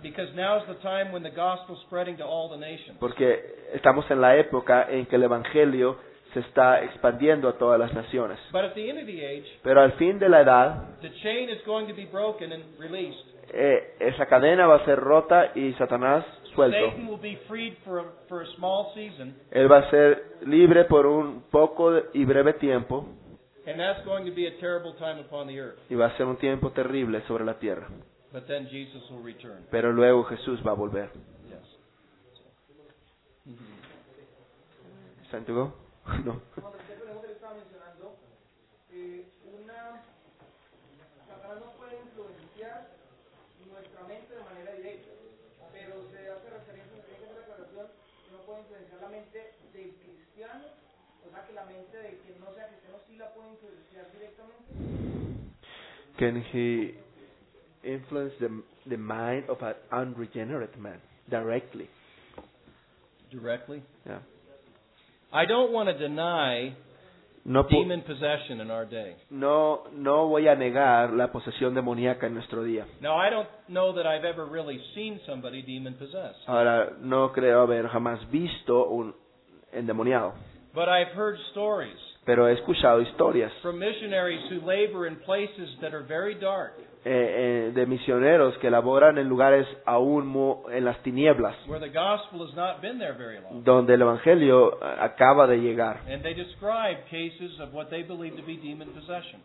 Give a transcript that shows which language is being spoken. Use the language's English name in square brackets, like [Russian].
[English] Because now is the time when the gospel is spreading to all the nations. [Spanish] Porque estamos en la época en que el evangelio se está expandiendo a todas las naciones. [English] But at the end of the age, [Spanish] pero al fin de la edad, [English] the chain is going to be broken and released. [Spanish] Esa cadena va a ser rota y Satanás suelto. [English] Satan will be freed for a small season. [Spanish] Él va a ser libre por un poco y breve tiempo. [English] And that's going to be a terrible time upon the earth. [Spanish] Y va a ser un tiempo terrible sobre la tierra. [English] But then Jesus will return. [Spanish] Pero luego Jesús va a volver. [English] Yes. Mm-hmm. ¿Está en tu go? No. Can he influence the mind of an unregenerate man directly? Directly? Yeah. I don't want to deny demon possession in our day. [Spanish] No voy a negar la posesión demoníaca en nuestro día. [English] Now, I don't know that I've ever really seen somebody demon possessed. [Spanish] Ahora, no creo haber jamás visto un endemoniado. [English] But I've heard stories. [Spanish] Pero he escuchado historias [English] from missionaries who labor in places that are very dark, [Spanish] de misioneros que laboran en lugares aún en las tinieblas, [English] where the gospel has not been there very long, [Spanish] donde el evangelio acaba de llegar, [English] and they describe cases of what they believe to be demon possession.